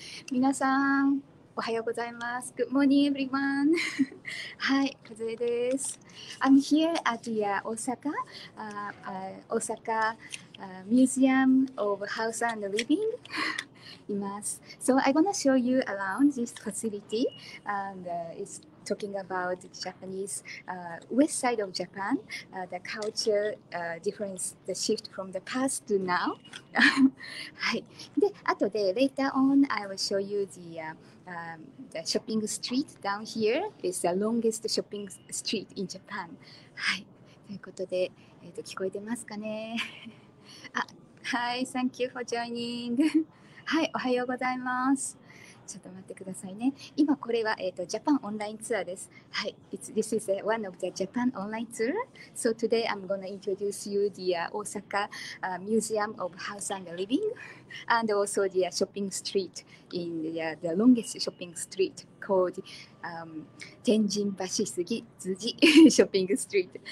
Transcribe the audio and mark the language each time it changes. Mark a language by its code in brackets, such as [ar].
[ja] 皆さんおはようございます。 [en] Good morning, everyone. [ja] はい、かずえです。 [en] I'm here at the Osaka, Osaka Museum of House and Living. [ja] います。 [en] So I'm gonna show you around this facility and it's talking about the Japanese west side of Japan, the culture difference, the shift from the past to now. [ja] はい。で、あとで [en] later on I will show you the shopping street down here is the longest shopping street in Japan. [ja] はい。ということで、聞こえてますかね。あ、はい。 [en] Thank you for joining. [ja] はい、おはようございます。ちょっと待ってくださいね。今これは、ジャパンオンラインツアーです。はい。 [en] This is one of the Japan online tour. So today I'm going to introduce you the Osaka Museum of House and Living and also the shopping street in the longest shopping street called 天神橋杉辻shopping street.